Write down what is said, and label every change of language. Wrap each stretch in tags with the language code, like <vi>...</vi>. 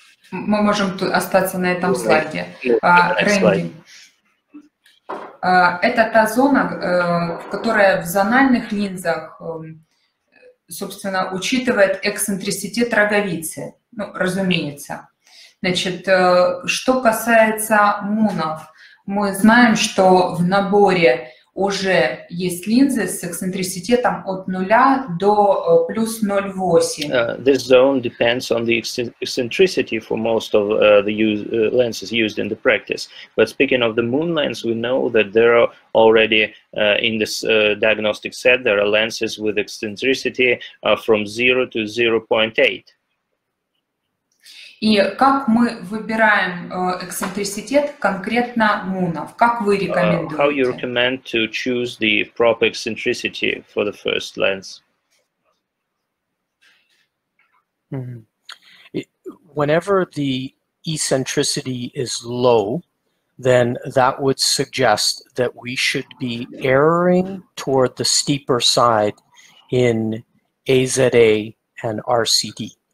<ru>Мы можем остаться на этом слайде. Рэнди, это та зона, которая в зональных линзах, собственно, учитывает эксцентриситет роговицы, ну, разумеется. Значит, что касается мунов, мы знаем, что в наборе уже есть линзы с эксцентриситетом от 0 до плюс 0,8.</ru> <en>This zone depends on the eccentricity for most of the lenses used in the practice. But speaking of the moon lens, we know that there are already in this diagnostic set, there are lenses with eccentricity from 0 to 0.8.</en> <ru>И как мы выбираем эксцентриситет конкретно мунов? Как вы рекомендуете?</ru> <en>How you recommend to choose the proper eccentricity for the first lens? Mm-hmm. Whenever the eccentricity is low, then that would suggest that we should be erring toward the steeper side in AZA and RCD.</en>